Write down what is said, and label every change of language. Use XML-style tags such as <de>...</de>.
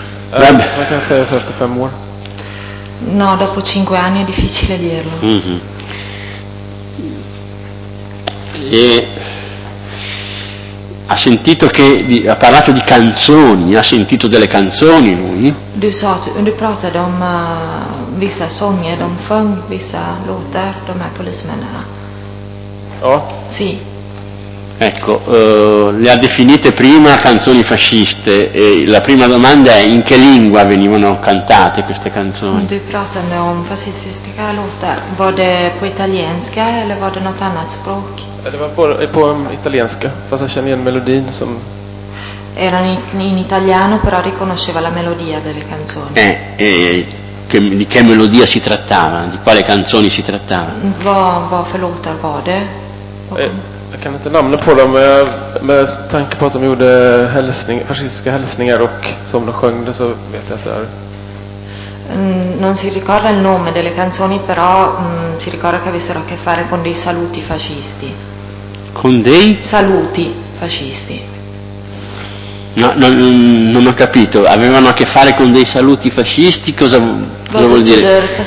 <it>Ma che sei stato per amore? No, dopo 5 anni è difficile dirlo. E ha sentito che ha parlato di canzoni, ha sentito delle canzoni lui?</it> <sv>Du sa, du pratade om vissa sånger, de sjöng vissa låtar, de här polismännen. Ja.</sv> <it>Sì. Ecco, le ha definite prima canzoni fasciste e la prima domanda è in che lingua venivano cantate queste canzoni?</it> <sv>Du pratade om fascistiska låtar, var det på italienska eller var det något annat språk? Det var på italienska, fast jag känner igen melodin som...</sv> <it>Era in italiano, però riconosceva la melodia delle canzoni. di che melodia si trattava, di quale canzoni si trattava.</it> <sv>Vad för låtar var det? Jag kan inte namna på dem, men med tanke på att de gjorde hälsningar, fascistiska hälsningar och som de sjöng det, så vet jag att det är.</sv> <it>Non si ricorda il nome delle canzoni, però si ricorda che avessero a che fare con dei saluti fascisti. Con dei saluti fascisti. No, non ho capito. Avevano a che fare con dei saluti fascisti? Cosa vuol dire?</it>